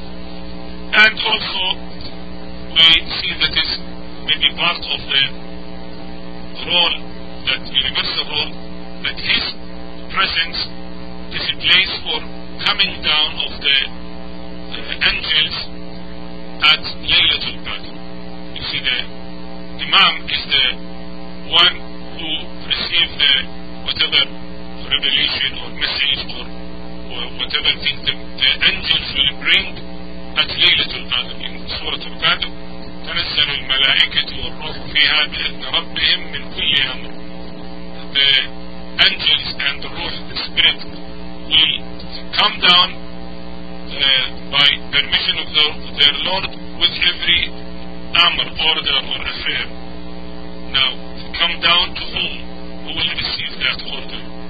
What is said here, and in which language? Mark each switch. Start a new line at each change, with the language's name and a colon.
English: And also we see that is maybe part of the role, that universal role, that his presence is a place for coming down of the angels at Laylatul Qadr. You see, the Imam is the one who received the whatever revelation or message or whatever thing the angels will bring at Laylatul Qadr.
Arabic: In Surah Al-Qadr, تنزل الملائكة والروح فيها بإذن ربهم من كل أمر.
English: The angels and the ruh, the spirit, will come down by permission of their Lord with every amr, order or affair. Now, to come down to whom? Who will receive that order?